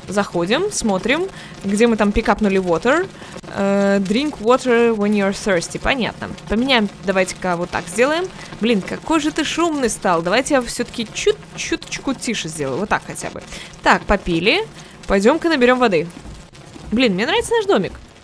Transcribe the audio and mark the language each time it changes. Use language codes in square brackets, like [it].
[ru] Заходим, смотрим, где мы там пикапнули water. [en] Drink water when you're thirsty. [ru] Понятно. Поменяем, давайте-ка вот так сделаем. Блин, какой же ты шумный стал. Давайте я все-таки чуточку тише сделаю. Вот так хотя бы. Так, попили. Пойдем-ка наберем воды. Блин, мне нравится наш домик.